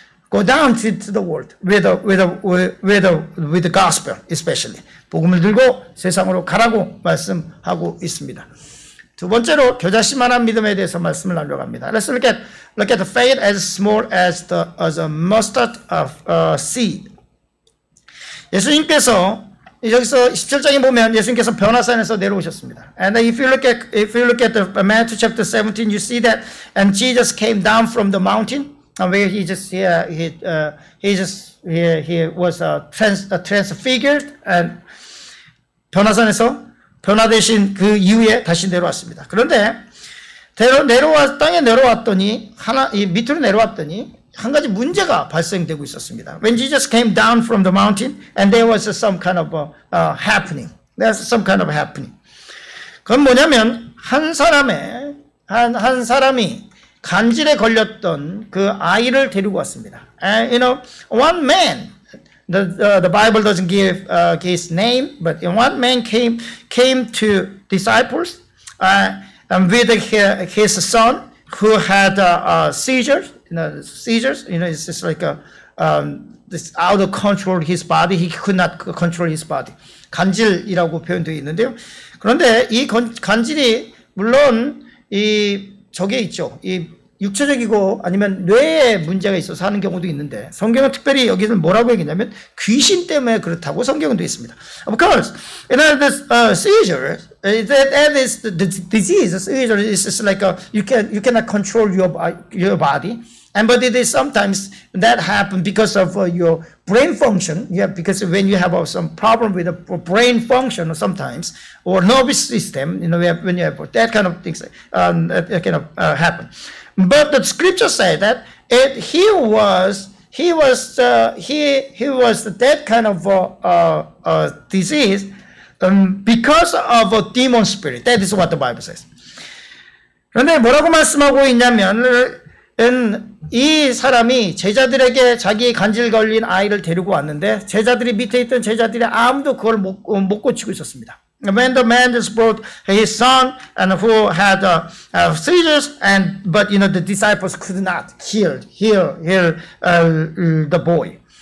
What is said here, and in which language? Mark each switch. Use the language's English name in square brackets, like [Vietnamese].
[English] Go down to the world with the gospel, especially. [Korean] 복음을 들고 세상으로 가라고 말씀하고 있습니다. 두 번째로 겨자씨만한 믿음에 대해서 말씀을 나누려고 합니다. [English] Let's look at the faith as small as the mustard of seed. [Korean] 예수님께서 여기서 17장에 보면 예수님께서 변화산에서 내려오셨습니다. [English] And if you look at the Matthew chapter 17, you see that and Jesus came down from the mountain and where he was transfigured and [Korean] 변화산에서 변화되신 그 이후에 다시 내려왔습니다. 그런데 땅에 내려왔더니 밑으로 내려왔더니 한 가지 문제가 발생되고 있었습니다. [English] When Jesus came down from the mountain and there was some kind of happening. There's some kind of happening. [Korean] 그건 뭐냐면 한 사람이 간질에 걸렸던 그 아이를 데리고 왔습니다. [English] And you know, one man the Bible doesn't give his name, but one man came to disciples and with his son who had a seizure. It's like this out of control his body. He could not control his body. [Korean] 간질이라고 표현되어 있는데요. 그런데 이 간질이 물론 이 저게 있죠. 이 육체적이고 아니면 뇌에 문제가 있어서 하는 경우도 있는데 성경은 특별히 여기는 뭐라고 얘기냐면 귀신 때문에 그렇다고 성경은 되어 있습니다. [English] Of course, you know, this seizure, that is the disease. Seizure is just like you cannot control your body. And but it is sometimes that happens because of your brain function. Yeah, because when you have some problem with the brain function sometimes or nervous system, you know, when you have that kind of things, that kind of happen. But the scripture said that he was that kind of disease because of a demon spirit. That is what the Bible says. [Korean] 그런데 뭐라고 말씀하고 있냐면 이 사람이 제자들에게 자기 간질 걸린 아이를 데리고 왔는데 제자들이 밑에 있던 제자들이 아무도 그걸 못 고치고 있었습니다. [English] When the man just brought his son and who had seizures, and but you know the disciples could not heal the boy.